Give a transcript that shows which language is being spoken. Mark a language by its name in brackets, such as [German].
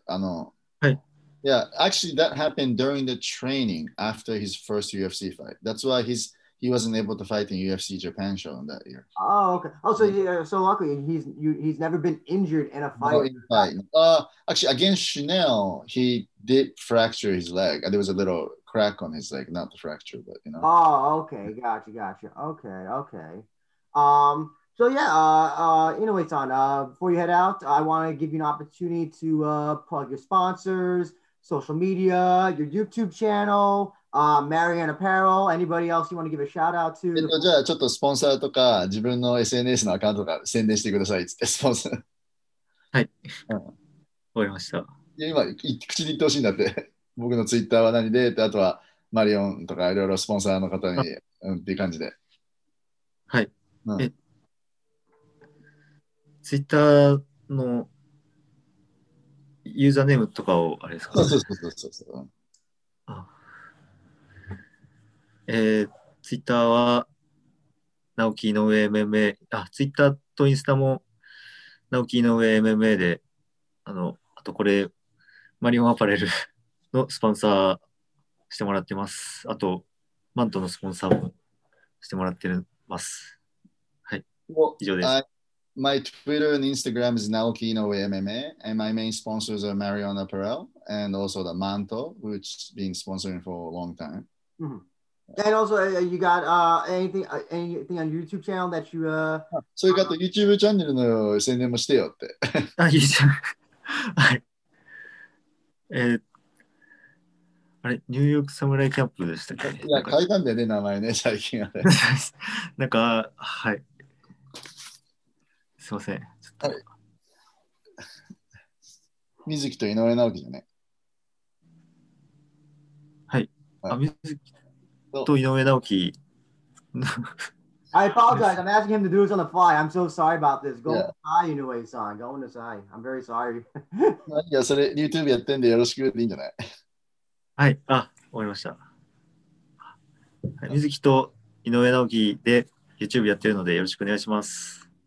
[Japanese] はい。 [English] Yeah, actually that happened during the training after his first UFC fight. That's why he wasn't able to fight in UFC Japan show on that year. Oh, okay. Oh, so luckily he's never been injured in a fight. No, in a fight. Actually, against Chanel, he did fracture his leg. There was a little crack on his leg, not the fracture, but you know. Oh, okay. Gotcha. Okay. So yeah, Inoue-san, before you head out, I want to give you an opportunity to plug your sponsors, social media, your YouTube channel, Marianne Apparel, anybody else you want to give a shout out to? [Japanese] じゃあちょっとスポンサーとか自分の SNS のアカウントとか宣伝してくださいってスポンサー。はい。わかりました。今口で言ってほしいんだって。僕の Twitter は何でって、あとはマリオンとかいろいろスポンサーの方に、っていう感じで。はい。ツイッターのユーザーネームとかをあれですか？そう。ツイッターは、直樹井上 MMA。あ、ツイッターとインスタも、直樹井上 MMA で、あとこれ、マリオンアパレルのスポンサーしてもらってます。あと、マントのスポンサーをしてもらっています。はい。以上です。 [English] My Twitter and Instagram is Naoki Inoue MMA, and my main sponsors are Marion Apparel and also the Manto, which has been sponsoring for a long time. Mm-hmm. And also, you got anything on YouTube channel that you... So you got the YouTube channel [Japanese] の宣伝もしてよって。あ、YouTube。はい。あれ、ニューヨークサムライキャップでしたっけ？いや、変えたんだよね、名前ね、最近あれ。なんか、はい。すいません。ちょっと水木と井上直樹じゃね。はい。はい、あ、水木と井上直樹。 [English] I apologize. I'm asking him to do this on the fly. I'm so sorry about this. Go high, Inoue san. Go on the side. I'm very sorry. [Japanese] いや、それ YouTube やってんでよろしくでいいんじゃない？はい。あ、終わりました。はい、水木と井上直樹で YouTube やってるのでよろしくお願いします。